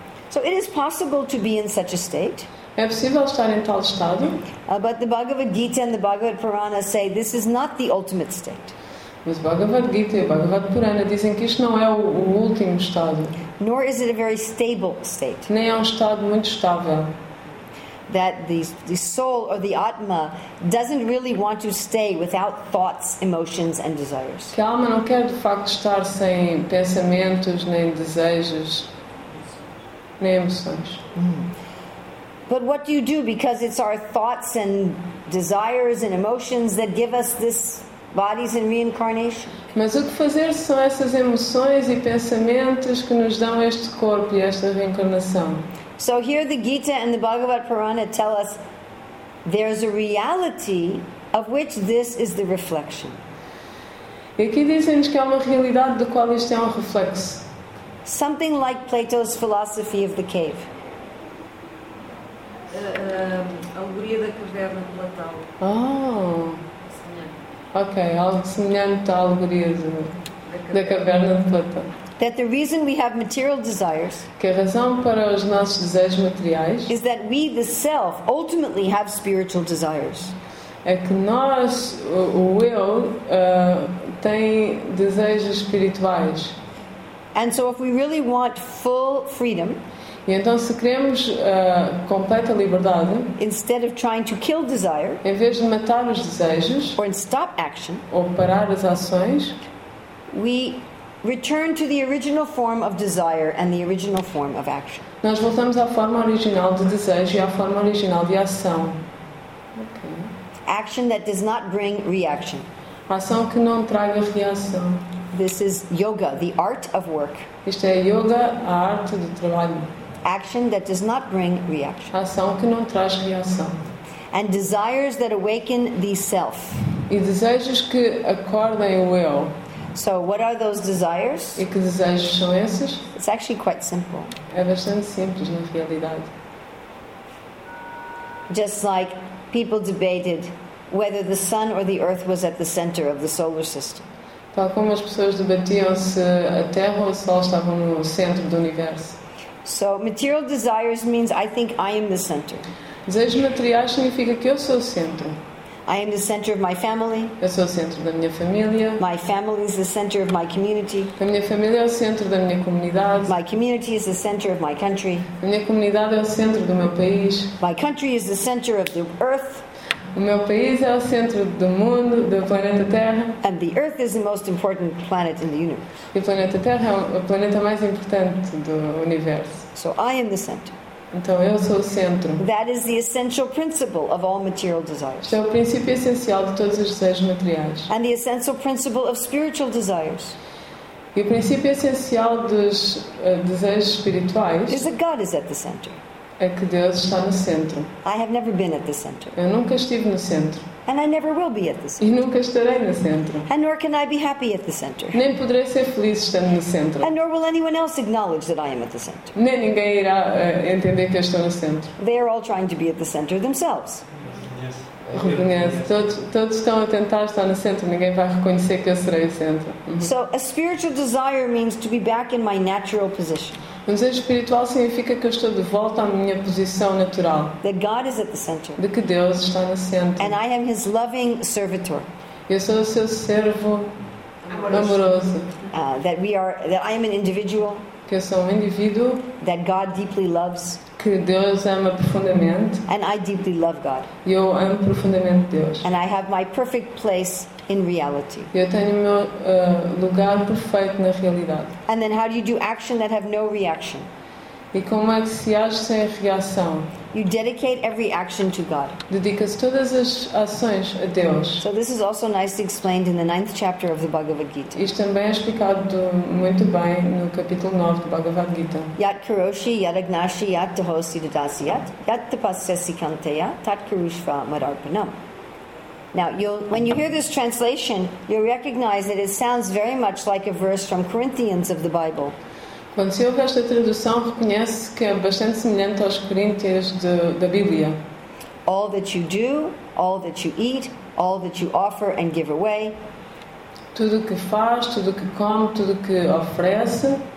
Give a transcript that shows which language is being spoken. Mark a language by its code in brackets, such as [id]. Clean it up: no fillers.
[en] So it is possible to be in such a state. [pt] É possível estar em tal estado. [en] But the Bhagavad Gita and the Bhagavad Purana say this is not the ultimate state. [pt] Mas o Bhagavad Gita e o Bhagavad Purana dizem que isto não é o último estado. [en] Nor is it a very stable state. [pt] Nem é um estado muito estável. [en] That the soul or the atma doesn't really want to stay without thoughts, emotions, and desires. [pt] Que a alma não quer de facto estar sem pensamentos, nem desejos, nem emoções. [en] But what do you do? Because it's our thoughts and desires and emotions that give us this bodies and reincarnation. [pt] Mas o que fazer são essas emoções e pensamentos que nos dão este corpo e esta reencarnação? [en] So here the Gita and the Bhagavad Purana tell us there's a reality of which this is the reflection. [pt] E aqui dizem-nos que há uma realidade da qual isto é um reflexo. [en] Something like Plato's philosophy of the cave. [pt] Alegoria da caverna de Platão. Oh. Ok, algo semelhante à alegoria da caverna de Platão. [en] That the reason we have material desires, [pt] que a razão para os nossos desejos materiais, [en] is that we, the self, ultimately have spiritual desires. [pt] É que nós, o eu, tem desejos espirituais. [en] And so if we really want full freedom, [pt] e então se queremos completa liberdade, [en] instead of trying to kill desire, [pt] em vez de matar os desejos, [en] or stop action, [pt] ou parar as ações, [en] we return to the original form of desire and the original form of action. [pt] Nós voltamos à forma original de desejo e à forma original de ação. [en] Okay. Action that does not bring reaction. [pt] Ação que não traga reação. [en] This is yoga, the art of work. [pt] Isto é yoga, a arte do trabalho. [en] Action that does not bring reaction. [pt] Ação que não traz reação. [en] And desires that awaken the self. [pt] E desejos que acordem o eu. [en] So what are those desires? [pt] E que desejos são esses? [en] It's actually quite simple. [pt] É bastante simples na realidade. [en] Just like people debated whether the sun or the earth was at the center of the solar system. [pt] Tal como as pessoas debatiam se a Terra ou o Sol estavam no centro do universo. [en] So material desires means I think I am the center. [pt] Desejos materiais significa que eu sou o centro. [en] I am the center of my family. [pt] Eu sou o centro da minha família. [en] My family is the center of my community. [pt] A minha família é o centro da minha comunidade. [en] My community is the center of my country. [pt] A minha comunidade é o centro do meu país. [en] My country is the center of the earth. [pt] O meu país é o centro do mundo, do planeta Terra. [en] And the earth is the most important planet in the universe. [pt] E o planeta Terra é o planeta mais importante do universo. [en] So I am the center. [pt] Então eu sou o centro. [en] That is the essential principle of all material desires. [pt] Este é o princípio essencial de todos os desejos materiais. [en] And the essential principle of spiritual desires. [pt] E o princípio essencial dos desejos espirituais. [en] Is that God is at the center. [pt] É que Deus está no centro. [en] I have never been at the center. [pt] Eu nunca estive no centro. [en] And I never will be at the center. [pt] E nunca estarei no centro. [en] And nor can I be happy at the center. [pt] Nem poderei ser feliz estando no centro. [en] And nor will anyone else acknowledge that I am at the center. [pt] Nem ninguém irá entender que eu estou no centro. [en] They are all trying to be at the center themselves. [pt] Reconhece. Todos estão a tentar estar no centro. Ninguém vai reconhecer que eu serei o centro. [en] So a spiritual desire means to be back in my natural position. [pt] Um desejo espiritual significa que eu estou de volta à minha posição natural. [en] That God is at the center. [pt] De que Deus está no centro. [en] And I am his loving servitor. [pt] Eu sou o seu servo amoroso. [en] That I am an individual. [pt] Que eu sou um indivíduo. [en] That God deeply loves. [pt] Que Deus ama profundamente. [en] And I deeply love God. [pt] E eu amo profundamente Deus. [en] And I have my perfect place in reality. [pt] Eu tenho o meu lugar perfeito na realidade. [en] And then how do you do action that have no reaction? [pt] E como é que se age sem reação? [en] You dedicate every action to God. [pt] Dedicas todas as ações a Deus. [en] So this is also nicely explained in the 9th chapter of the Bhagavad Gita. [pt] Isto também é explicado muito bem no capítulo 9 do Bhagavad Gita. [sa] Yat karoshi yat agnashi yat dahosi dadasi yat yat tapasasi kanteya tat karushva madarpanam. [en] Now, when you hear this translation, you'll recognize that it sounds very much like a verse from Corinthians of the Bible. [pt] Quando se ouve esta tradução, reconhece que é bastante semelhante aos Coríntios da Bíblia. [en] All that you do, all that you eat, all that you offer and give away. [pt] Tudo o que faz, tudo o que come, tudo o que oferece.